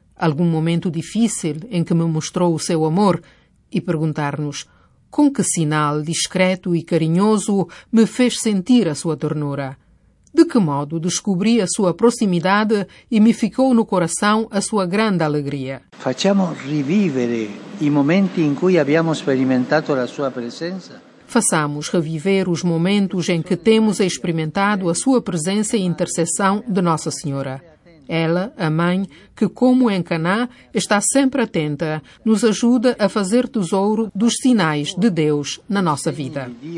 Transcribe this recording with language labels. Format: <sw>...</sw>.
<pt>Algum momento difícil em que me mostrou o seu amor e perguntar-nos com que sinal discreto e carinhoso me fez sentir a sua ternura. De que modo descobri a sua proximidade e me ficou no coração a sua grande alegria?</pt> <it>Facciamo rivivere i momenti in cui abbiamo sperimentato la sua presenza.</it> <pt>Façamos reviver os momentos em que temos experimentado a sua presença e intercessão de Nossa Senhora. Ela, a Mãe, que como em Caná, está sempre atenta, nos ajuda a fazer tesouro dos sinais de Deus na nossa vida.</pt>